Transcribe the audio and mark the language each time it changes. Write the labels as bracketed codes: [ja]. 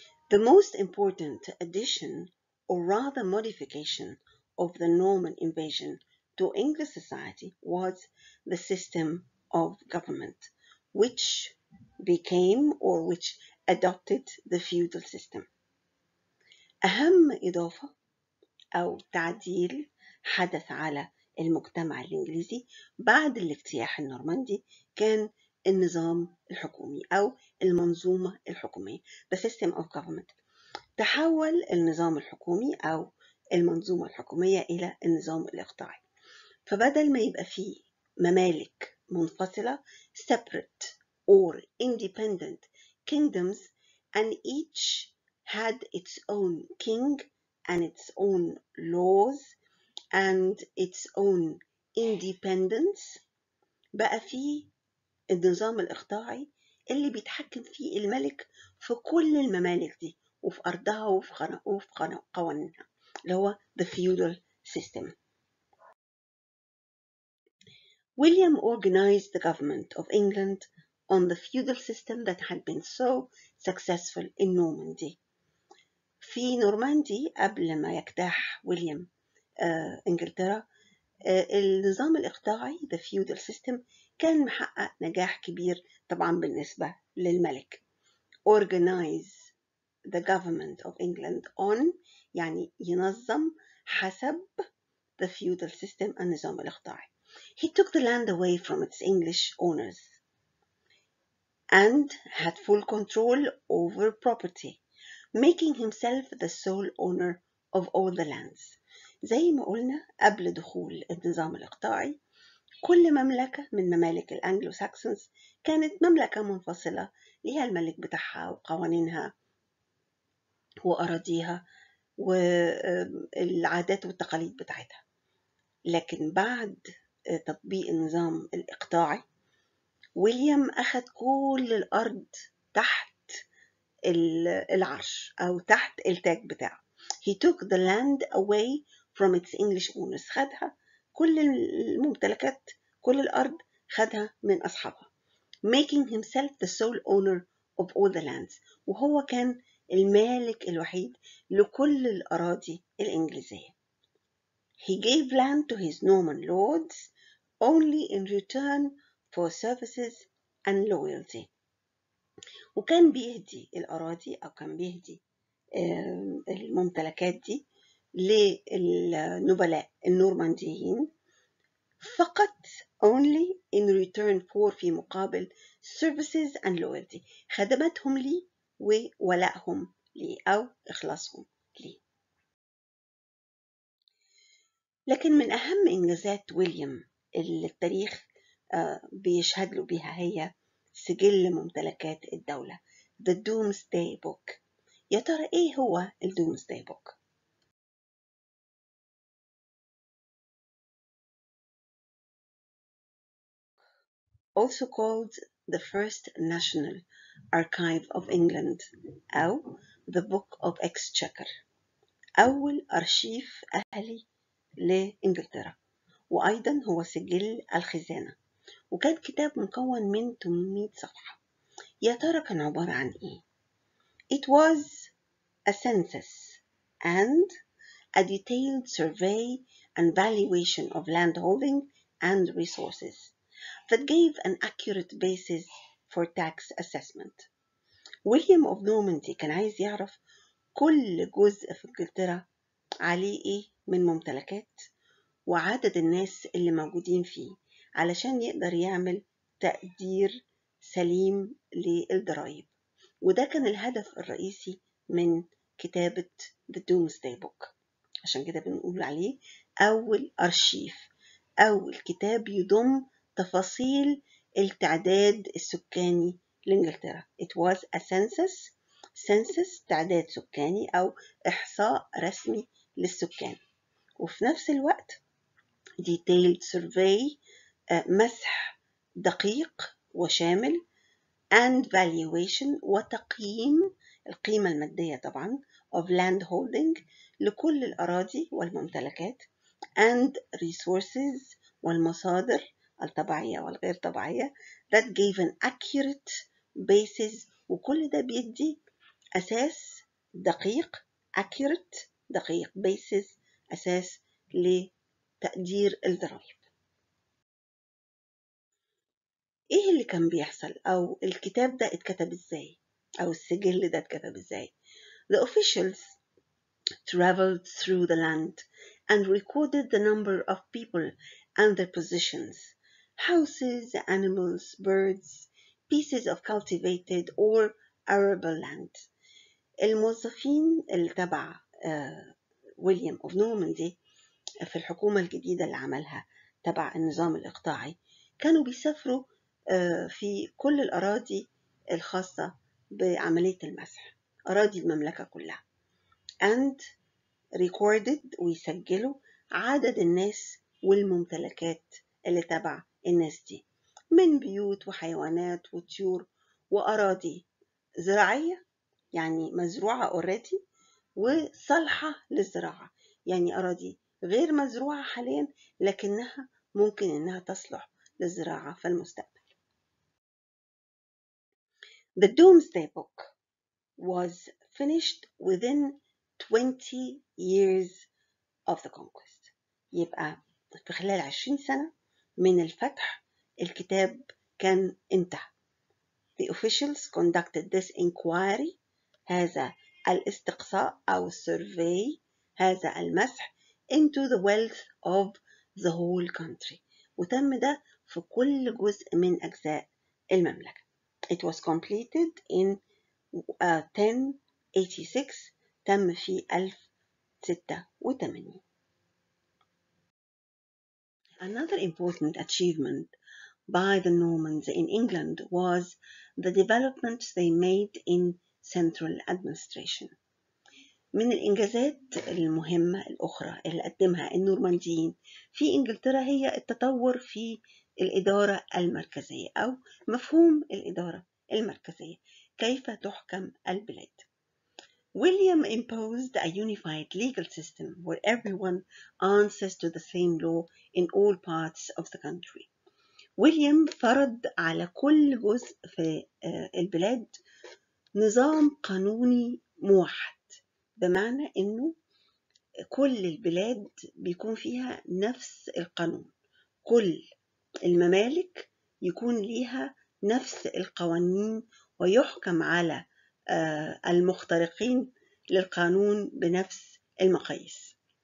[en] The most important addition or rather modification of the Norman invasion to English society was the system of government, which became or which adopted the feudal system. [ar] أهم إضافة أو تعديل حدث على المجتمع الإنجليزي بعد الاجتياح النورماندي كان النظام الحكومي أو المنظومة الحكومية, [en] the system of government. [ar] تحول النظام الحكومي أو المنظومة الحكومية إلى النظام الإقطاعي. فبدل ما يبقى فيه ممالك منفصلة [en] separate or independent kingdoms and each had its own king and its own laws and its own independence, [ar] بقى فيه النظام الإقطاعي اللي بيتحكم فيه الملك في كل الممالك دي وفي أرضها وفي قوانينها, اللي هو [en] the feudal system. William organized the government of England on the feudal system that had been so successful in Normandy. [ar] في نورماندي قبل ما يجتاح ويليام إنجلترا, النظام الإقطاعي [en] the feudal system [ar] كان محقق نجاح كبير طبعا بالنسبة للملك. [en] Organize the government of England on, [ar] يعني ينظم حسب [en] the feudal system, [ar] النظام الإقطاعي. [en] He took the land away from its English owners and had full control over property, making himself the sole owner of all the lands. [ar] زي ما قلنا قبل دخول النظام الإقطاعي, كل مملكة من ممالك الأنجلو ساكسونز كانت مملكة منفصلة ليها الملك بتاعها وقوانينها وأراضيها والعادات والتقاليد بتاعتها. لكن بعد تطبيق النظام الإقطاعي, ويليام أخذ كل الأرض تحت العرش أو تحت التاج بتاعه. [en] He took the land away from its English owners. [ar] خدها كل الممتلكات, كل الأرض خدها من أصحابها. [en] Making himself the sole owner of all the lands. [ar] وهو كان المالك الوحيد لكل الأراضي الإنجليزية. [en] He gave land to his Norman lords only in return for services and loyalty. [ar] وكان بيهدي الأراضي أو كان بيهدي الممتلكات دي للنبلاء النورمانديين فقط, [en] only in return for, [ar] في مقابل [en] services and loyalty, [ar] خدمتهم لي وولائهم لي أو إخلاصهم لي. لكن من أهم إنجازات ويليام اللي التاريخ بيشهد له بها هي سجل ممتلكات الدولة, The Doomsday Book. يا ترى إيه هو الـ Doomsday Book؟ [en] Also called the First National Archive of England [ar] أو [en] The Book of Exchequer, [ar] أول أرشيف أهلي لإنجلترا, وأيضا هو سجل الخزانة. وكان كتاب مكون من 800 صفحة. يا ترى كان عبارة عن إيه؟ [en] It was a census and a detailed survey and valuation of landholding and resources that gave an accurate basis for tax assessment. [ar] William of Normandy كان عايز يعرف كل جزء في إنجلترا عليه إيه من ممتلكات وعدد الناس اللي موجودين فيه علشان يقدر يعمل تقدير سليم للضرائب, وده كان الهدف الرئيسي من كتابة The Doomsday Book. عشان كده بنقول عليه أول أرشيف, أول كتاب يضم تفاصيل التعداد السكاني لإنجلترا. [en] It was a census, census [ar] تعداد سكاني أو إحصاء رسمي للسكان, وفي نفس الوقت [en] detailed survey [ar] مسح دقيق وشامل [en] and valuation [ar] وتقييم القيمة المادية طبعا [en] of landholding [ar] لكل الأراضي والممتلكات [en] and resources [ar] والمصادر الطبيعية والغير طبيعية [en] that gave an accurate basis. [ar] وكل ده بيدي أساس دقيق accurate دقيق basis أساس لتقدير الضرائب. إيه اللي كان بيحصل أو الكتاب ده اتكتب إزاي أو السجل ده اتكتب إزاي؟ [en] The officials traveled through the land and recorded the number of people and their positions, houses, animals, birds, pieces of cultivated or arable land. [ar] الموظفين اللي تبع ويليام اوف نورماندي في الحكومة الجديدة اللي عملها تبع النظام الإقطاعي كانوا بيسافروا في كل الأراضي الخاصة بعملية المسح. أراضي المملكة كلها [en] and recorded [ar] ويسجلوا عدد الناس والممتلكات اللي تبع الناس دي من بيوت وحيوانات وطيور وأراضي زراعية يعني مزروعة already وصالحة للزراعة يعني أراضي غير مزروعة حاليا لكنها ممكن إنها تصلح للزراعة في المستقبل. [en] The Doomsday Book was finished within 20 years of the conquest. [ar] يبقى في خلال 20 سنة من الفتح الكتاب كان انتهى. [en] The officials conducted this inquiry, [ar] هذا الاستقصاء أو [en] survey, [ar] هذا المسح [en] into the wealth of the whole country. [ar] وتم ده في كل جزء من أجزاء المملكة. [en] It was completed in 1086 [ar] تم في 1086. [en] Another important achievement by the Normans in England was the developments they made in central administration. [ar] من الإنجازات المهمة الأخرى اللي قدمها النورمانديين في إنجلترا هي التطور في الإدارة المركزية أو مفهوم الإدارة المركزية كيف تحكم البلاد. [en] William imposed a unified legal system where everyone answers to the same law in all parts of the country. [ar] William فرض على كل جزء في البلاد نظام قانوني موحد بمعنى إنه كل البلاد بيكون فيها نفس القانون كل الممالك يكون ليها نفس القوانين ويحكم على المخترقين للقانون بنفس المقاييس.